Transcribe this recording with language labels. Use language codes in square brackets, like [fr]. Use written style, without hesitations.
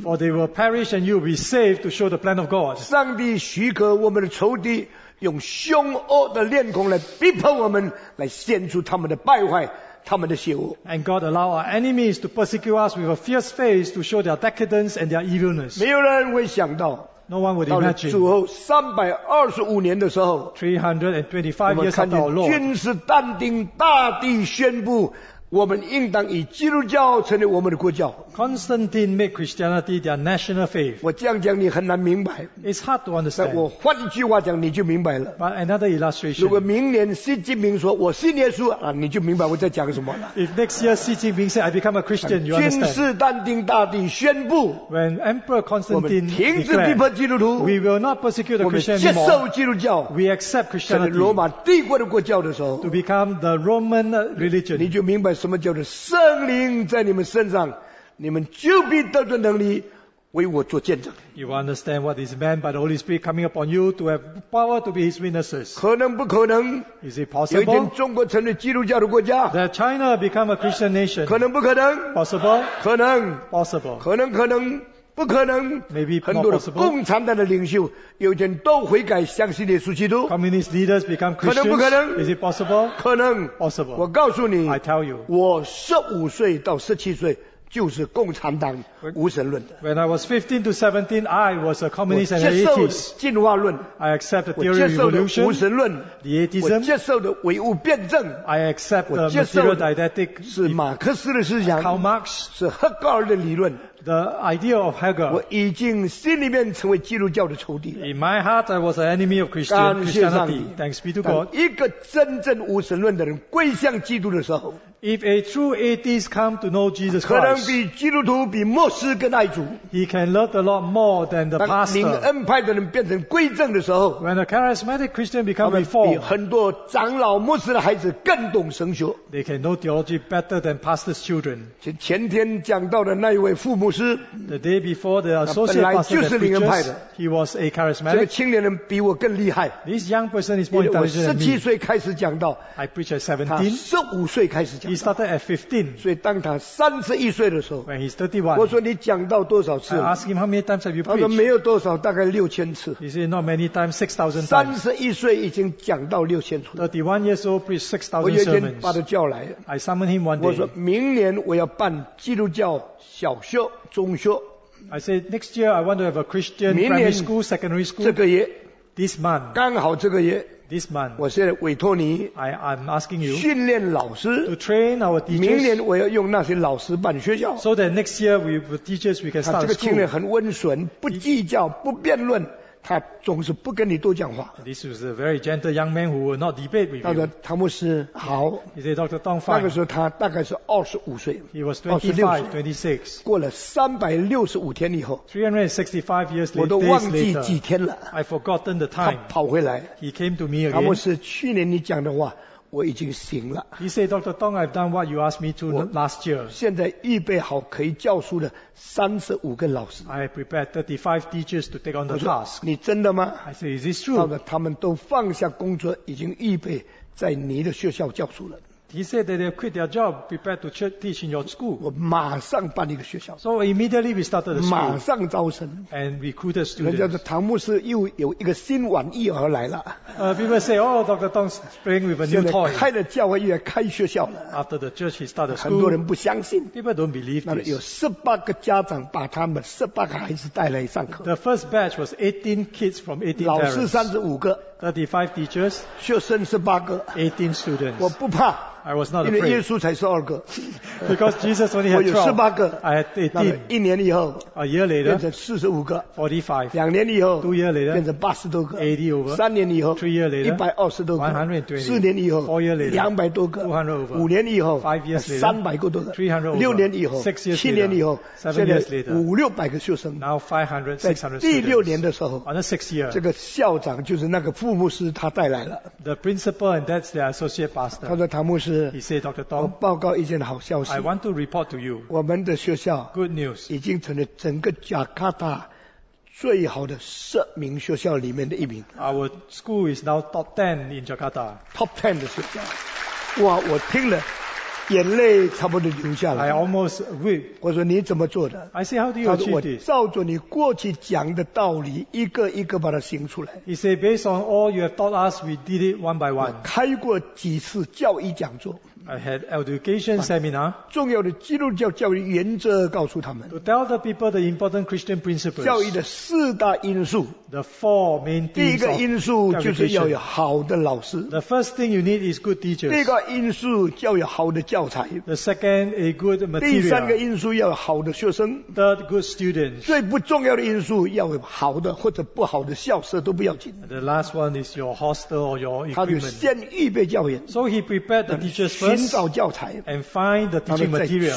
[en] For they will perish and you will be saved to show the plan of God. [zh] 上帝许可我们的仇敌用凶恶的炼工来逼迫我们，来显出他们的败坏。 [en] And God allow our enemies to persecute us with a fierce face to show their decadence and their evilness. [zh] 没有人会想到, [en] no one would imagine. [zh] 到了主后325年的时候, [en] 325 years after our Lord, [zh] 君士但丁大帝宣布我们应当以基督教成为我们的国教。 [en] Constantine made Christianity their national faith. [zh] 我这样讲你很难明白。 [en] It's hard to understand. [zh] 但我换一句话讲你就明白了。 [en] But another illustration. [zh] 如果明年习近平说我信耶稣啊，你就明白我在讲什么了。 [en] If next year Xi Jinping said I become a Christian, you understand. [zh] 君士但丁大帝宣布。 [en] When Emperor Constantine declared. [zh] 停止逼迫基督徒。 [en] We will not persecute the Christian anymore. [zh] 我们接受基督教。 [en] We accept Christianity. [zh] 成为罗马帝国的国教的时候。 [en] To become the Roman religion. [zh] 你就明白。什么叫做圣灵在你们身上，你们就必得着能力为我做见证。 [en] You understand what is meant by the Holy Spirit coming upon you to have power to be His witnesses? [zh] 可能不可能 [en] ？Is it possible? [zh] 有一天中国成为基督教的国家 [en] ？That China become a Christian nation? [zh] 可能不可能 [en] ？Possible? [zh] 可能 [en] ？Possible? [zh] 可能可能不可能 [en] ？Maybe not possible. [zh] 很多的共产党的领袖有一天都悔改，相信耶稣基督。 [en] Communist leaders become Christians? [zh] 可能不可能 [en] ？Is it possible? [zh] 可能 [en] ？Possible? [zh] 我告诉你 [en] ，I tell you， [zh] 我15岁到17岁。就是共产党无神论的。 [en] When I was 15 to 17, I was a communist and an atheist. [zh] 我接受进化论。 [en] I accept the theory of evolution. [zh] 我接受无神论。 [en] The atheism. [zh] 我接受的唯物辩证。 [en] I accept the material dialectic. [zh] 是马克思的思想。 [en] Karl Marx. [zh] 是赫格尔的理论。 [en] The idea of Hegel. [zh] 我已经心里面成为基督教的仇敌了。 [en] In my heart, I was an enemy of Christianity. Thanks be to God. [zh] 一个真正无神论的人归向基督的时候。 [en] If a true atheist come to know Jesus Christ, [zh] 可能比基督徒比牧师更爱主。 [en] He can love the Lord more than the pastor. [zh] 当灵恩派的人变成归正的时候 [en] ，When a charismatic Christian become reformed, [zh] 比很多长老牧师的孩子更懂神学。 [en] They can know theology better than pastor's children. [zh] 前天讲到的那一位副牧师 [en] ，The day before the associate pastor, [zh] 本来就是灵恩派的 [en] ，He was a charismatic. [zh] 这个青年人比我更厉害。 [en] This young person is more intelligent than me. [zh] 我17岁开始讲道 [en] ，I preach at 17. [zh] 他15岁开始讲。 [en] He started at 15. [zh] 所以当他31岁的时候 [en] When he's 31, [zh] 我说你讲到多少次 [en] I asked him how many times have you preached. [zh] 他说没有多少大概6000次 [en] He said not many times 6000 times. [zh] 31岁已经讲到6000次 [en] 31 years old preached 6000 sermons. [zh] 我有一天把他叫来 [en] I summoned him one day. [zh] 我说明年我要办基督教小学中学 [en] I said next year I want to have a Christian primary school secondary school. [zh] 这个月 [en] This month. [zh] 刚好这个月 [en] This month, [zh] 我现在委托你 [en] I'm asking you [zh] 训练老师 [en] to train our teachers, [zh] 明年我要用那些老师办学校 [en] so that next year we, the teachers, we can start school. [zh] 这个青年很温顺不计较不辩论他总是不跟你多讲话 [en] This was a very gentle young man who will not debate with you [zh] 他说唐牧师好 [en] He said Dr. Tong fine [zh] 那个时候他大概是25岁 [en] He was 25, 26 [zh] 过了365天以后 [en] 365 years later [zh] 我都忘记几天了 [en] I've forgotten the time [zh] 他跑回来 [en] He came to me again [zh] 唐牧师去年你讲的话我已经行了 [en] He said Dr. Tong I've done what you asked me to last year [zh] 现在预备好可以教书的35个老师 [en] I prepared 35 teachers to take on the task [zh] 你真的吗 [en] I said is this true [zh] 他们都放下工作已经预备在你的学校教书了 [en] He said that they quit their job prepared to teach in your school [zh] 我马上办一个学校 [en] So immediately we started the school [zh] 马上招生 [en] And recruited students [zh] 人家的唐牧师又有一个新玩意而来了 [en] People say oh Dr. Tong spring with a new toy [zh] 开了教会也开学校了 [en] After the church he started school [zh] 很多人不相信 [en] People don't believe this [zh] 有18个家长把他们18个孩子带来上课 [en] The first batch was 18 kids from 18 parents [zh] 老师35个 [en] 35 teachers [zh] 学生18个 [en] 18 students [zh] 我不怕 [en] I was not afraid. [zh] 因为耶稣才是二个 [en] Because Jesus only had 12. [zh] 我有18个 [en] I had 18. [zh] 一年以后 [en] A year later. [zh] 变成45个 [en] 45. [zh] 两年以后 [en] 2 years later. [zh] 变成80多个 [en] 80 over. [zh] 三年以后 [en] 3 years later. [zh] 120多个 [en] 120. [zh] 四年以后 [en] 4 years later. [zh] 200多个 [en] 200 over. [zh] 五年以后 [en] 5 years later. [zh] 300个多个 [en] 300 over. [zh] 六年以后 [en] 6 years later. [zh] 七年以后 [en] 7 years later. [zh] 500-600个学生 [en] Now 500, 600 [zh] 第六年的时候 [en] On the 6th year. [zh] 这个校长就是那个副牧师他带来了 [en] The principal and that's their associate pastor. [zh] 他说唐牧师 [en] He said, Dr. Tong, [zh] 我报告一件好消息 [en] I want to report to you, [zh] 我们的学校 [en] Good news [zh] 已经成了整个加卡达最好的十名学校里面的一名。 [en] Our school is now top 10 in Jakarta. Top 10 [zh] 的学校。哇，我听了眼泪差不多流下来。 [en] I almost weep. [zh] 我说你怎么做的 [en] ？I say how do you achieve this? [zh] 我照着你过去讲的道理，一个一个把它行出来。 [en] He say based on all you have taught us, we did it one by one. [zh] 我开过几次教义讲座。 [en] I had education seminar. [zh] 重要的基督教教义原则告诉他们。 [en] To tell the people the important Christian principles. [zh] 教义的四大因素。 [en] The four main things. [zh] 第一个因素就是要有好的老师。 [en] The first thing you need is good teachers. [zh] 第二个因素要有好的教材。 [en] The second, a good material. [zh] 第三个因素要有好的学生。 [en] Third, good students. [zh] 最不重要的因素要有好的或者不好的校舍都不要紧。 [en] The last one is your hostel or your equipment. [zh] 他就先预备教员。 [en] So he prepared the teachers first. [zh] 寻找教材 [en] and find the teaching material,